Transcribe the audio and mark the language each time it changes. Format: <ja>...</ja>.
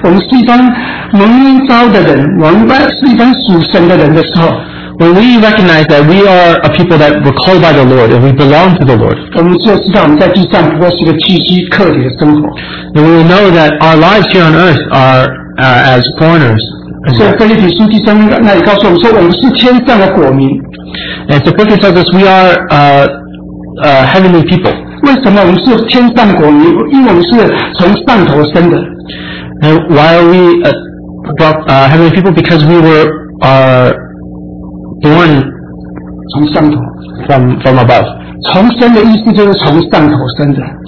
<zh>但我们和神有一个准确的关系，看见我们是一帮蒙恩召的人, 我们是一帮属神的人的时候,</zh> <en>when we recognize that we are a people that were called by the Lord and we belong to the Lord, then we will know that our lives here on earth are as foreigners. And so Philippians tells us we are heavenly people.</en> <zh>为什么我们是天上国民？因为我们是从上头生的。</zh> <en>And why are we heavenly people? Because we were born</en> <zh>从上头,</zh> <en>from above.</en> <zh>从生的意思就是从上头生的。</zh>